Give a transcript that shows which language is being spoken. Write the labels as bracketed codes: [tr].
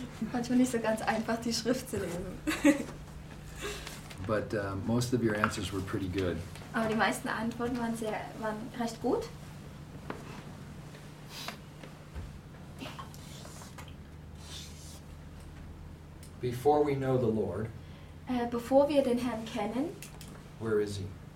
[de] Manchmal nicht so ganz einfach, die Schrift zu lesen. [en] But most of your answers were pretty good. [de] Aber die meisten Antworten waren sehr, waren recht gut. [en] Before we know the Lord, [de] bevor wir den Herrn kennen, [en] where is he?